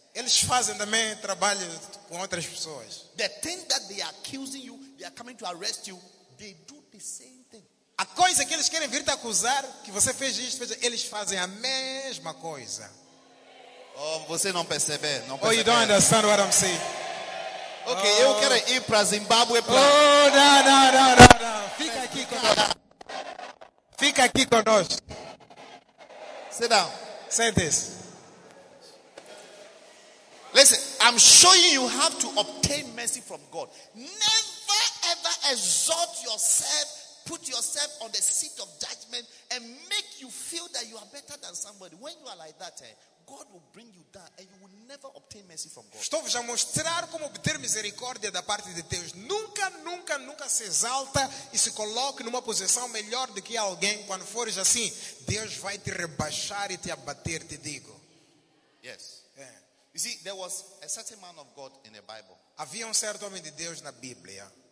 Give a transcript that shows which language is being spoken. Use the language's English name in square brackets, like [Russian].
[Portuguese] Eles fazem também trabalho com outras pessoas. [English] The thing that they are accusing you, they are coming to arrest you. They do the same thing. [Portuguese] A coisa que eles querem vir te acusar que você fez isto, fez, eles fazem a mesma coisa. Oh, você não percebe, não percebe. [English] Oh, you don't understand what I'm saying. [Portuguese] Okay, oh. Eu quero ir para Zimbábue. Não. Fica aqui conosco. Fica aqui conosco. [English] Sit down. Say this. Listen, I'm showing you how to obtain mercy from God. Never ever exalt yourself, put yourself on the seat of judgment and make you feel that you are better than somebody. When you are like that, God will bring you down and you will never obtain mercy from God. [Portuguese] Estou-vos a mostrar como obter misericórdia da parte de Deus. Nunca se exalta e se coloque numa posição melhor do que alguém. Quando fores assim, Deus vai te rebaixar e te abater, te digo. [English] Yes. You see, there was a certain man of God in the Bible. [Portuguese] Havia certo homem de Deus na Bíblia.